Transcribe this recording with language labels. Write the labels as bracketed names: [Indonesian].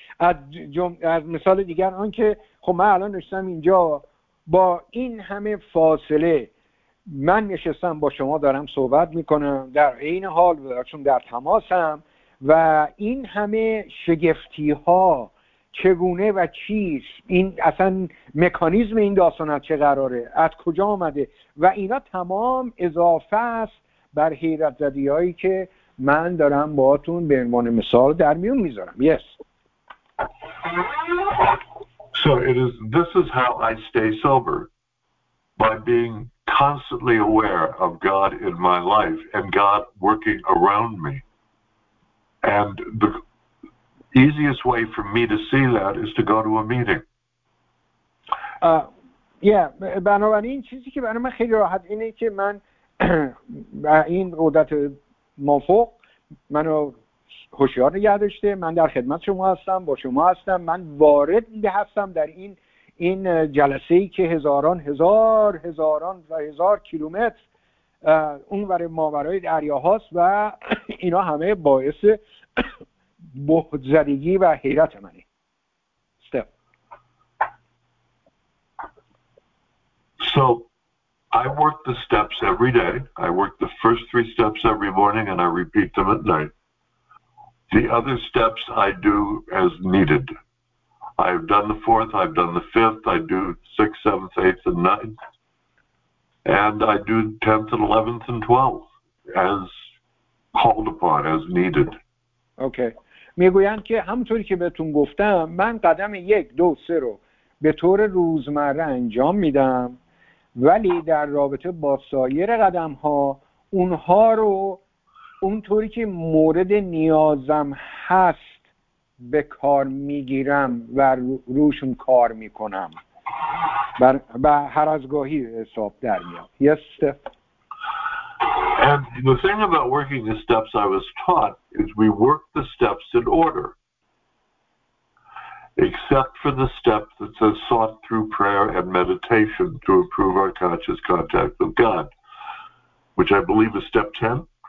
[Persian] از مثال دیگر آن که خب من الان نشستم اینجا با این همه فاصله من نشستم با شما دارم صحبت میکنم در این حال چون در تماسم و این همه شگفتی ها چگونه و چیست این اصلا مکانیزم این داستان چه قراره از کجا آمده و اینا تمام اضافه است بر حیرت زدی هایی که من دارم باهاتون به عنوان مثال در میون میذارم [English] Yes So this is how I stay sober by being constantly aware of God in my life and God working around me and the easiest way for me to see that is to go to a meeting [Persian] بنابراین چیزی که برای من خیلی راحت اینه که من و این قدرت مافوق منو هوشیار نگه داشته من در خدمت شما هستم با شما هستم من وارد هستم در این جلسه ای که هزاران و هزار کیلومتر اونور ماورای دریاهاست و اینا همه باعث بهت زدگی و حیرت منه استپ [English] So I work the steps every day. I work the first three steps every morning and I repeat them at night. The other steps I do as needed. I've done the fourth, I've done the fifth, I do sixth, seventh, eighth, and ninth. And I do 10th and 11th and 12th as called upon, as needed. Okay. [Persian] میگویند که همونطوری که بهتون گفتم من قدم یک دو سه رو به طور روزمره انجام میدم ولی در رابطه با سایر قدم ها اونها رو اونطوری که مورد نیازم هست به کار میگیرم و روشون کار میکنم و هر از گاهی حساب در میام [English] Yes And the thing about working the steps I was taught is we work the steps in order except for the step that says sought through prayer and meditation to improve our conscious contact with God, which I believe is step 10,